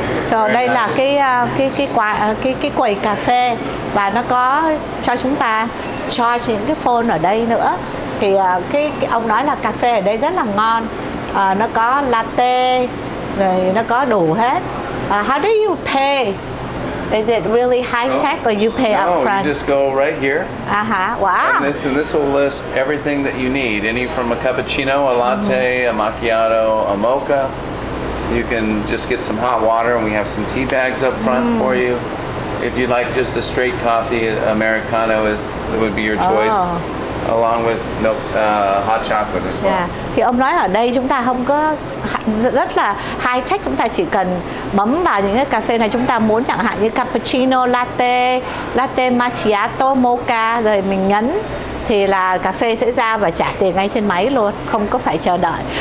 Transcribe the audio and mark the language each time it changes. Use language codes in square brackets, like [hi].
[vi] so đây nice. Là cái quầy cà phê, và nó có cho chúng ta charge những cái phone ở đây nữa. Thì cái ông nói là cà phê ở đây rất là ngon, nó có latte rồi nó có đủ hết. [en] How do you pay? Is it really high tech or you pay up front? No, you just go right here. Wow. And this will list everything that you need. Any from a cappuccino, a latte, mm-hmm. a macchiato, a mocha. You can just get some hot water and we have some tea bags up front for you. If you'd like just a straight coffee, Americano would be your choice. Along with milk, hot chocolate as well. Yeah. [vi] Thì ông nói ở đây chúng ta không có rất là high tech, chúng ta chỉ cần bấm vào những cái cà phê này chúng ta muốn, chẳng hạn như cappuccino, latte, latte macchiato, mocha, rồi mình nhấn thì là cà phê sẽ ra và trả tiền ngay trên máy luôn, không có phải chờ đợi.